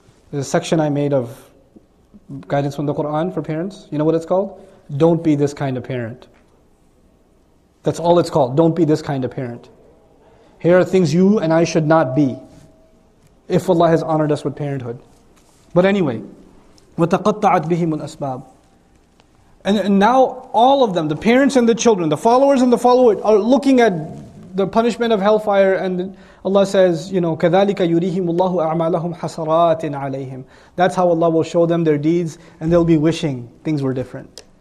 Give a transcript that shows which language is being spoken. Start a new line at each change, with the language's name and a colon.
English: There's a section I made of guidance from the Quran for parents. You know what it's called? Don't be this kind of parent. That's all it's called. Don't be this kind of parent. Here are things you and I should not be if Allah has honored us with parenthood. But anyway,
Arabic: وَتَقَطَّعَتْ بِهِمُ الْأَسْبَابِ.
English: And now all of them, the parents and the children, the followers and the followers, are looking at the punishment of hellfire, and Allah says, you know,
Arabic: كَذَلِكَ يُرِيهِمُ اللَّهُ أَعْمَالَهُمْ حَسَرَاتٍ عَلَيْهِمْ.
English: That's how Allah will show them their deeds, and they'll be wishing things were different.